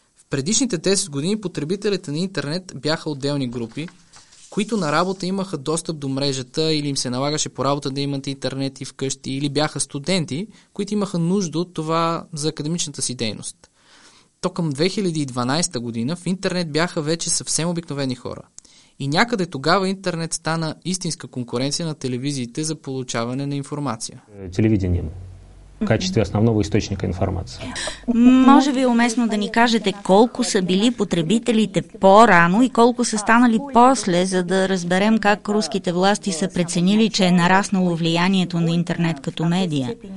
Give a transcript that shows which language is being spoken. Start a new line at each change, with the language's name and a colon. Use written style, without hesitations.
Bulgarian: Предишните 10 години потребителите на интернет бяха отделни групи, които на работа имаха достъп до мрежата или им се налагаше по работа да имат интернет и вкъщи, или бяха студенти, които имаха нужда от това за академичната си дейност. То към 2012 година в интернет бяха вече съвсем обикновени хора. И някъде тогава интернет стана истинска конкуренция на телевизиите за получаване на информация.
Russian: Телевидение. В качестве основного источника информации.
Bulgarian: Може би е уместно да ни кажете колко са били потребителите по-рано и колко са станали после, за да разберем как руските власти са преценили, че е нараснало влиянието на интернет като медия.